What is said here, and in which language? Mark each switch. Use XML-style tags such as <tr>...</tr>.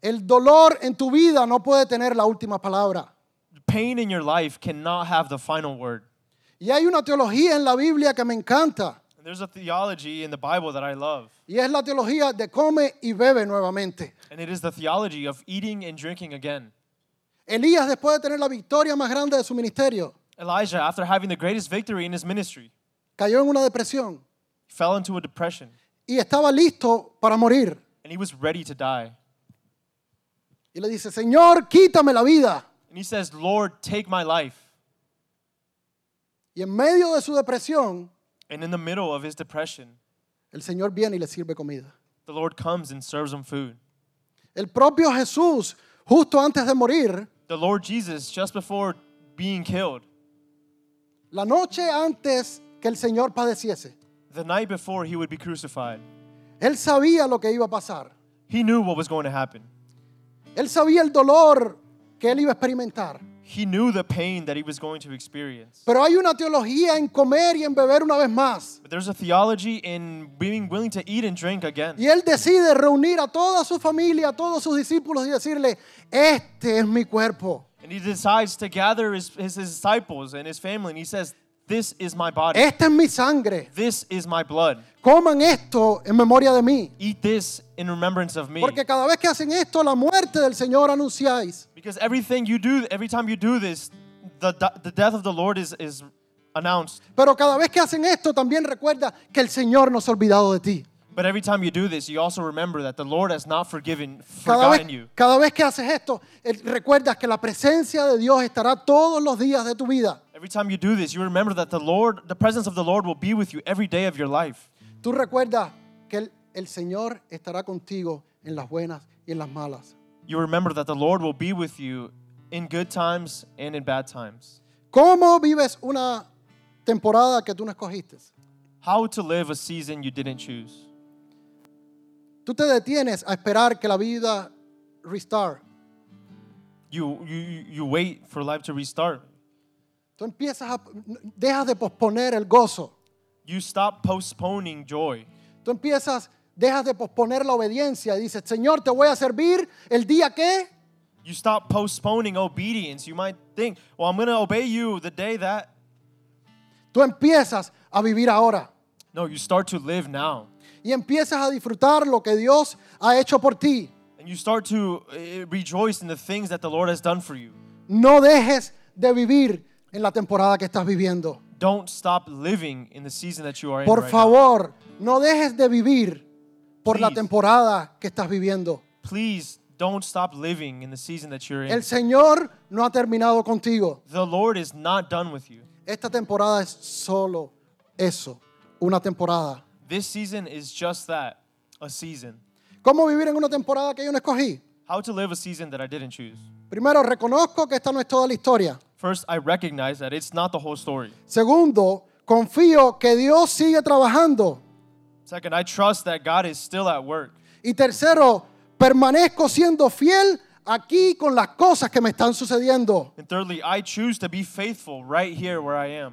<es>El dolor en tu vida no puede tener la última palabra.</es> <en>Pain in your life cannot have the final word.</en> <es>Y hay una teología en la Biblia que me encanta.</es> <en>And there's a theology in the Bible that I love.</en> <es>Y es la teología de come y bebe nuevamente.</es> <en>And it is the theology of eating and drinking again.</en> <es>Elías después de tener la victoria más grande de su ministerio.</es> <en>Elijah, after having the greatest victory in his ministry,</en> <es>cayó en una depresión,</es> <en>fell into a depression,</en> <es>y estaba listo para morir.</es> <en>And he was ready to die.</en> <es>Y le dice, Señor, quítame la vida.</es> <en>And he says, Lord, take my life.</en> <es>Y en medio de su depresión,</es> <en>and in the middle of his depression,</en> <es>el Señor viene y le sirve comida.</es> <en>The Lord comes and serves him food.</en> <es>El propio Jesús, justo antes de morir,</es> <en>the Lord Jesus, just before being killed,</en> <es>la noche antes que el Señor padeciese.</es> <en>The night before he would be crucified.</en> <es>Él sabía lo que iba a pasar.</es> <en>He knew what was going to happen.</en> <es>Él sabía el dolor que él iba a experimentar.</es> <en>He knew the pain that he was going to experience.</en> <es>Pero hay una teología en comer y en beber una vez más.</es> <en>But there's a theology in being willing to eat and drink again.</en> <es>Y él decide reunir a toda su familia, a todos sus discípulos y decirle, este es mi cuerpo.</es> <en>And he decides to gather his disciples and his family, and he says, this is my body.</en> <es>Esta es mi sangre.</es> <en>This is my blood.</en> <es>Coman esto en memoria de mí.</es> <en>Eat this in remembrance of me.</en> <es>Porque cada vez que hacen esto, la muerte del Señor anunciáis.</es> <en>Because everything you do, every time you do this, the death of the Lord is announced.</en> <es>Pero cada vez que hacen esto, también recuerda que el Señor no se ha olvidado de ti.</es> <en>But every time you do this, you also remember that the Lord has not forgiven, forgotten you.</en> <es>Cada vez que haces esto, recuerdas que la presencia de Dios estará todos los días de tu vida.</es> <en>Every time you do this, you remember that the Lord, the presence of the Lord will be with you every day of your life.</en> <es>Tú recuerdas que el Señor estará contigo en las buenas y en las malas.</es> <en>You remember that the Lord will be with you in good times and in bad times.</en> <es>¿Cómo vives una temporada que tú no escogiste?</es> <en>How to live a season you didn't choose.</en> <es>Tú te detienes a esperar que la vida</es> <en>restart. You wait for life to restart.</en> <es>Tú empiezas a dejas de posponer el gozo.</es> <en>You stop postponing joy.</en> <es>Tú empiezas dejas de posponer la obediencia y dices, "Señor, te voy a servir el día que".</es> <en>You stop postponing obedience. You might think, "Well, I'm going to obey you the day that".</en> <es>Tú empiezas a vivir ahora.</es> <en>No, you start to live now.</en> <es>Y empiezas a disfrutar lo que Dios ha hecho por ti.</es> <en>And you start to rejoice in the things that the Lord has done for you.</en> <es>No dejes de vivir en la temporada que estás viviendo.</es> <en>Don't stop living in the season that you are in.</en> <es>Por favor, no dejes de vivir por la temporada que estás viviendo.</es> <en>Please don't stop living in the season that you're in.</en> <es>El Señor no ha terminado contigo.</es> <en>The Lord is not done with you.</en> <es>Esta temporada es solo eso, una temporada.</es> <en>This season is just that, a season.</en> <es>¿Cómo vivir en una temporada que yo no escogí?</es> <en>How to live a season that I didn't choose.</en> <es>Primero, reconozco que esta no es toda la historia.</es> <en>First, I recognize that it's not the whole story.</en> <es>Segundo, confío que Dios sigue trabajando.</es> <en>Second, I trust that God is still at work.</en> <es>Y tercero, permanezco siendo fiel aquí con las cosas que me están sucediendo.</es> <en>And thirdly, I choose to be faithful right here where I am.</en>